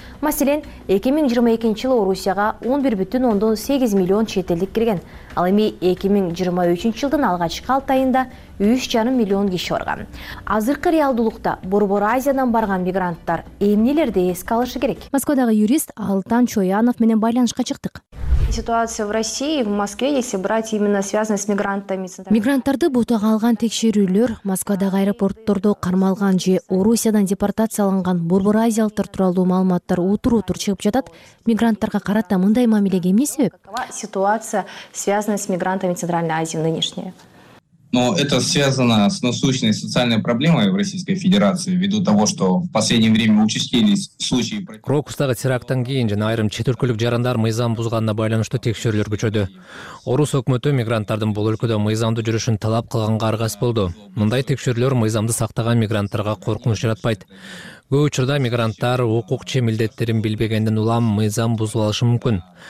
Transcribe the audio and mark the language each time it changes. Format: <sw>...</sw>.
<ky>Маселен, 2022 жылы Орусияга 11,8 миллион чет элдик кирген. Ал эми 2023 жылдын алгачкы 6 айында 3,5 миллион киши барган. Азыркы реалдуулукта Борбор Азиядан барган мигранттар эмнелерди эске алышы керек? Москвадагы юрист Алтан Чоянов менен байланышка чыктык.</ky> <ru>Ситуация в России, в Москве, если брать именно связанные с мигрантами.</ru> <ky>Мигранттарды бутага алган текшерүүлөр Москвадагы аэропорттордо кармалган же Орусиядан депортацияланган Борбор Азиялыктар тууралуу маалыматтар утур-утур чыгып жатат. Мигранттарга карата мындай мамилеге эмне себеп?</ky> <ru>Ситуация, связанная с мигрантами Центральной Азии нынешняя. Но это связано с насущной социальной проблемой в Российской Федерации ввиду того, что в последнее время участились случаи.</ru> <ky>Крокустагы терактан кийин жана айрым чет өлкөлүк жарандар мыйзам бузганына байланыштуу текшерүүлөр күчөдү. Орус өкмөтү мигранттардын бул өлкөдө мыйзамдуу жүрүшүн талап кылганга аргасыз болду. Мындай текшерүүлөр мыйзамды сактаган мигранттарга коркунуч жаратпайт. Көп учурда мигранттар укук же милдеттерин билбегенден улам мыйзам бузуп алышы мүмкүн.</ky>